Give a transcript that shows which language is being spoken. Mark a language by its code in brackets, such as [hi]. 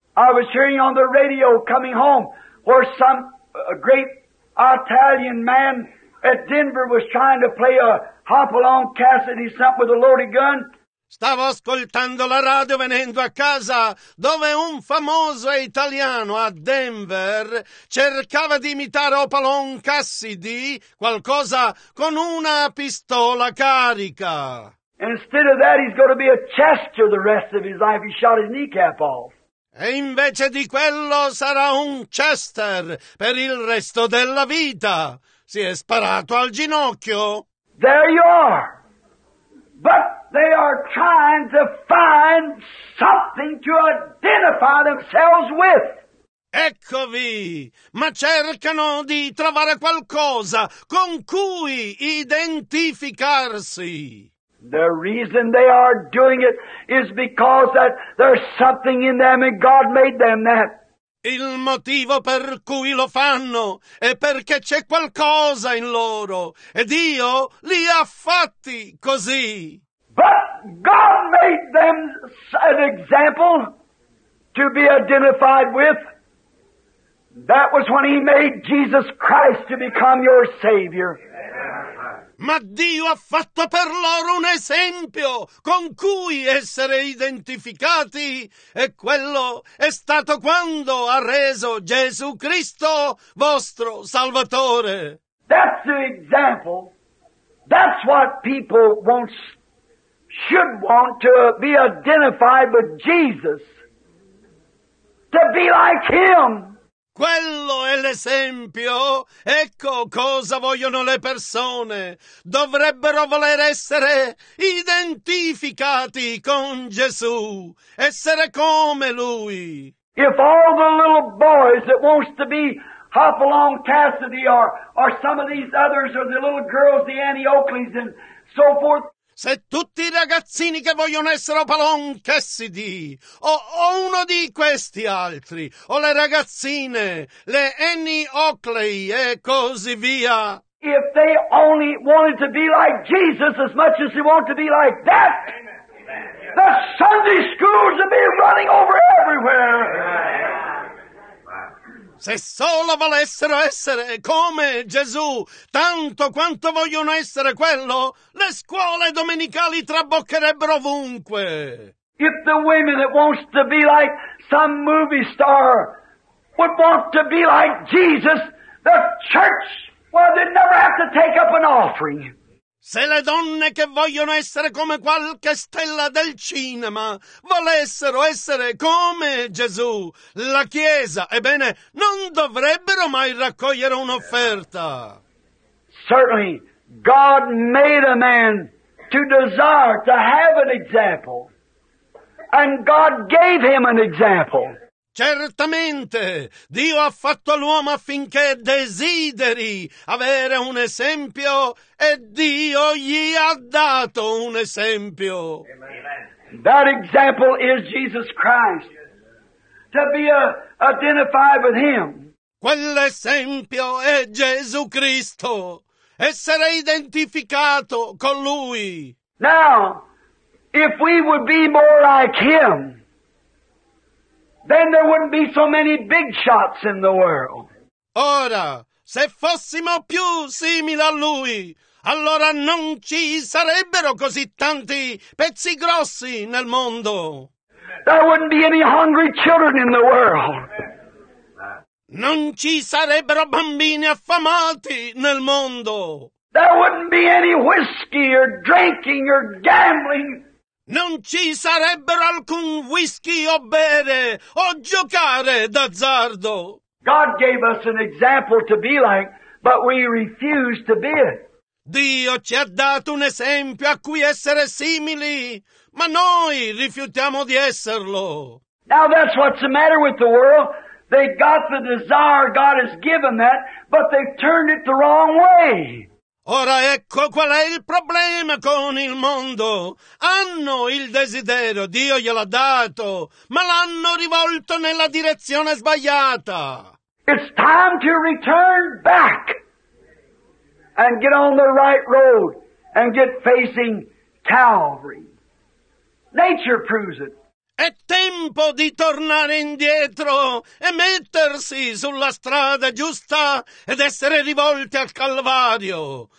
[en] I was hearing on the radio coming home where some great Italian man at Denver was trying to play a Hopalong Cassidy something with a loaded gun. [it] Stavo ascoltando la radio venendo a casa dove un famoso italiano a Denver cercava di imitare Hopalong Cassidy, qualcosa con una pistola carica. [en] Instead of that, he's going to be a Chester the rest of his life. He shot his kneecap off. [it] E invece di quello sarà un Chester per il resto della vita. Si è sparato al ginocchio. [en] There you are. But they are trying to find something to identify themselves with. [it] Eccovi, ma cercano di trovare qualcosa con cui identificarsi. [en] The reason they are doing it is because that there's something in them and God made them that. [it] Il motivo per cui lo fanno è perché c'è qualcosa in loro e Dio li ha fatti così. [en] But God made them an example to be identified with. That was when He made Jesus Christ to become your Savior. [it] ma Dio ha fatto per loro un esempio con cui essere identificati, e quello è stato quando ha reso Gesù Cristo vostro Salvatore. [en] That's the example. That's what people want, should want to be identified with Jesus. To be like him. [it] Quello è l'esempio. Ecco cosa vogliono le persone. Dovrebbero voler essere identificati con Gesù. Essere come lui. [en] If all the little boys that wants to be Hopalong Cassidy or some of these others or the little girls, the Annie Oakleys and so forth. [it] Se tutti i ragazzini che vogliono essere Hopalong Cassidy o uno di questi altri o le ragazzine, le Annie Oakley e così via. [en] If they only wanted to be like Jesus as much as they want to be like that, the Sunday schools would be running over everywhere. [it] Se solo volessero essere come Gesù, tanto quanto vogliono essere quello, le scuole domenicali traboccherebbero ovunque. [en] If the women that wants to be like some movie star would want to be like Jesus, the church, well, they'd never have to take up an offering. [it] Se le donne che vogliono essere come qualche stella del cinema volessero essere come Gesù, la Chiesa, ebbene, non dovrebbero mai raccogliere un'offerta. [en] Certainly, God made a man to desire to have an example, and God gave him an example. [it] Certamente, Dio ha fatto l'uomo affinché desideri avere un esempio, e Dio gli ha dato un esempio. [en] Amen. That example is Jesus Christ, to be identified with him. [it] Quell'esempio è Gesù Cristo, essere identificato con lui. [en] Now, if we would be more like him, then there wouldn't be so many big shots in the world. [it] Ora, se fossimo più simili a lui, allora non ci sarebbero così tanti pezzi grossi nel mondo. [en] There wouldn't be any hungry children in the world. [it] Non ci sarebbero bambini affamati nel mondo. [en] There wouldn't be any whiskey or drinking or gambling. [it] Non ci sarebbero alcun whisky o bere o giocare d'azzardo. [en] God gave us an example to be like, but we refuse to be it. [it] Dio ci ha dato un esempio a cui essere simili, ma noi rifiutiamo di esserlo. [en] Now that's what's the matter with the world. They got the desire God has given that, but they've turned it the wrong way. [it] Ora ecco qual è il problema con il mondo. Hanno il desiderio, Dio gliel'ha dato, ma l'hanno rivolto nella direzione sbagliata. [en] It's time to return back and get on the right road and get facing Calvary. Nature proves it. [it] È tempo di tornare indietro e mettersi sulla strada giusta ed essere rivolti al Calvario.